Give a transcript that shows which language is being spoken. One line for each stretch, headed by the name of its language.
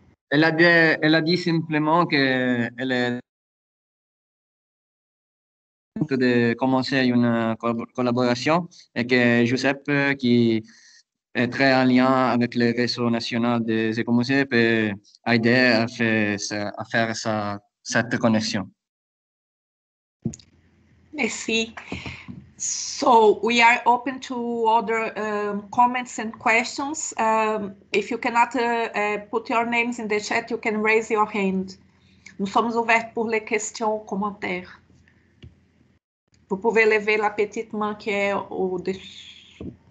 French: Elle a dit simplement qu'elle est de commencer une collaboration et que Giuseppe, qui est très en lien avec le réseau national des écomusées, peut aider à faire cette connexion. Merci.
English: So we are open to other comments and questions. If you cannot put your names in the chat, you can raise your hand.
French: Nous sommes ouverts pour les questions ou commentaires. Vous pouvez lever la petite main qui est au dessus.